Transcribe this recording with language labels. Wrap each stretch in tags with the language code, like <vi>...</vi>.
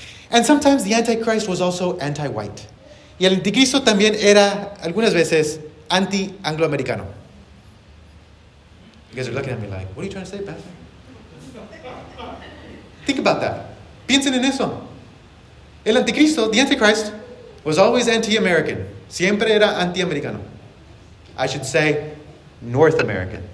<en>And sometimes the antichrist was also anti-white.</en> <es>Y el anticristo también era, algunas veces, anti-angloamericano.</es> <en>You guys are looking at me like, what are you trying to say, Beth? Think about that.</en> <es>Piensen en eso. El anticristo,</es> <en>the antichrist, was always anti-American.</en> <es>Siempre era anti-americano.</es> <en>I should say North American.</en>